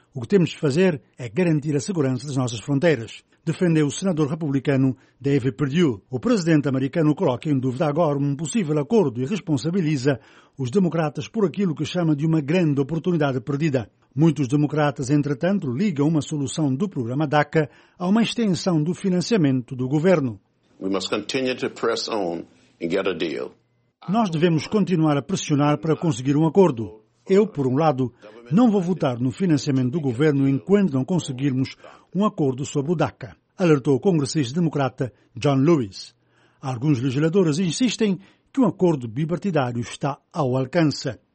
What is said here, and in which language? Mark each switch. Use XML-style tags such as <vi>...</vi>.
<pt>O que temos de fazer é garantir a segurança das nossas fronteiras, defendeu o senador republicano Dave Perdue. O presidente americano coloca em dúvida agora um possível acordo e responsabiliza os democratas por aquilo que chama de uma grande oportunidade perdida. Muitos democratas, entretanto, ligam uma solução do programa DACA a uma extensão do financiamento do governo.</pt> <en>We must continue to press on and get a deal.</en> <pt>Nós devemos continuar a pressionar para conseguir um acordo. Eu, por um lado, não vou votar no financiamento do governo enquanto não conseguirmos um acordo sobre o DACA, alertou o congressista democrata John Lewis. Alguns legisladores insistem que um acordo bipartidário está ao alcance.</pt>